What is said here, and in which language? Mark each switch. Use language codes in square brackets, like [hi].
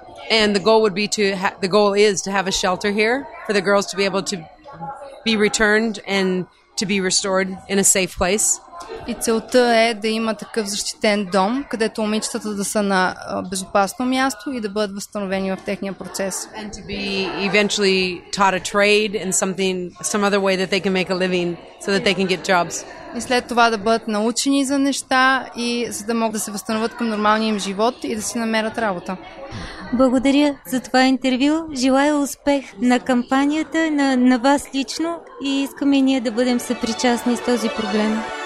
[en] And the goal would be to the goal is to have a shelter here for the girls to be able to be returned and to be restored in a safe place. [bg] И целта е да има такъв защитен дом, където момичетата да са на безопасно място и да бъдат възстановени в техния процес. [en] And to be eventually taught a trade and some other way that they can make a living so that they can get jobs. [bg] И след това да бъдат научени за неща и за да могат да се възстановят към нормалния им живот и да си намерят работа. Благодаря за това интервю. Желая успех на кампанията, на вас лично и искаме ние да бъдем съпричастни с този проблем.